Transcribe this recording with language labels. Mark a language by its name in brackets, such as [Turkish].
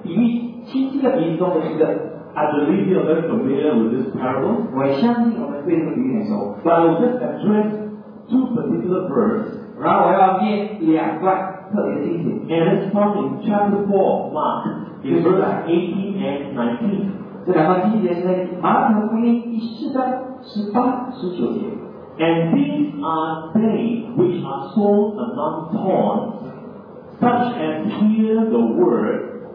[Chinese] 这个撒种的比喻是在耶稣在河边所分享比喻，其实这个比喻中的一个。 [English] I believe you are very familiar with this parable. [Chinese] 我相信我们对这个比喻很熟。 [English] But I will just address two particular verses. [Chinese] 然后我要念两段特别的经节。 [English] And it's found in chapter 4 of Mark, in verse 18 and 19. [Chinese] 这两段经节是在马可福音第四章18、19节。 [English] And these are they which are sown among thorns, such as hear the word,